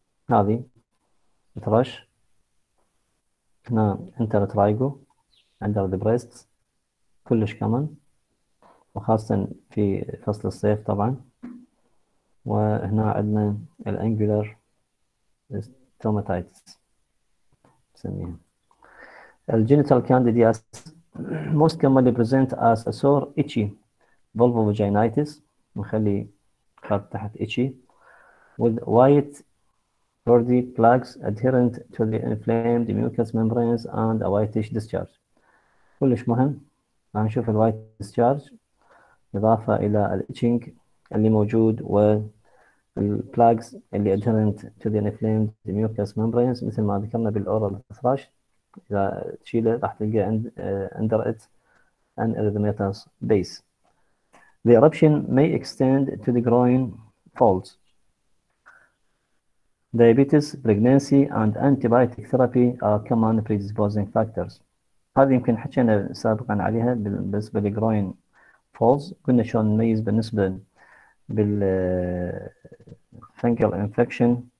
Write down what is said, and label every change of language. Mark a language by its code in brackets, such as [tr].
[ar] هذه تراش، هنا انتريترايجو عندنا ذا بريست كلش كمان، وخاصة في فصل الصيف طبعا. وهنا عندنا الانجولار استوماتايتس نسميها. [en] الجينيتال candidiasis most commonly present as a sore itchy vulvovaginitis، [ar] نخلي خط تحت [en] itchy with white birdie plugs adherent to the inflamed mucous membranes and a whitish discharge. [ar] كلش مهم راح نشوف ال [en] white discharge [ar] إضافة إلى ال itching اللي موجود وال plugs اللي [en] adherent to the inflamed mucous membranes [ar] مثل ما ذكرنا بال [en] oral thrush. [ar] إذا تشيله راح تلقى [en] under it an erythematous base. The eruption may extend to the groin folds. Diabetes, pregnancy and antibiotic therapy are common predisposing factors. [ar] هذه يمكن حكينا سابقا عليها بالنسبة للجروين فولز، كنا شلون نميز بالنسبة بال [en] fungal infection.